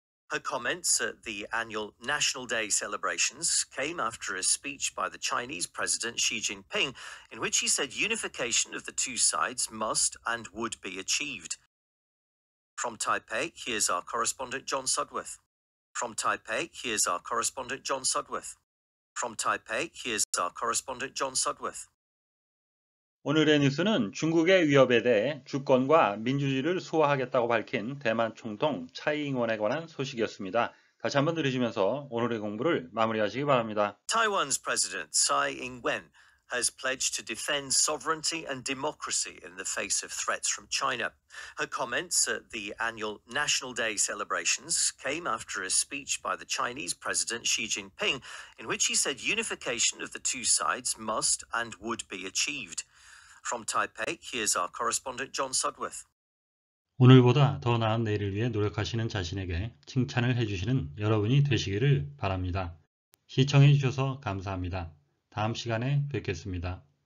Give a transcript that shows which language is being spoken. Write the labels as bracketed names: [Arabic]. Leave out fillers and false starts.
[English] Her comments at the annual National Day celebrations came after a speech by the Chinese president Xi Jinping, in which he said unification of the two sides must and would be achieved. From Taipei, here's our correspondent John Sudworth. From Taipei, here's our correspondent John Sudworth. From Taipei, here's our correspondent John Sudworth. [Korean] 오늘의 뉴스는 중국의 위협에 대해 주권과 민주주의를 수호하겠다고 밝힌 대만 총통 차이잉원에 관한 소식이었습니다. 다시 한번 들으시면서 오늘의 공부를 마무리하시기 바랍니다. [English] Taiwan's president Tsai Ing-wen has pledged to defend sovereignty and democracy in the face of threats from China. Her comments at the annual National Day celebrations came after a speech by the Chinese president Xi Jinping, in which he said unification of the two sides must and would be achieved. From Taipei, here's our correspondent John Sudworth. [Korean] 오늘보다 더 나은 내일을 위해 노력하시는 자신에게 칭찬을 해주시는 여러분이 되시기를 바랍니다. 시청해 주셔서 감사합니다. 다음 시간에 뵙겠습니다.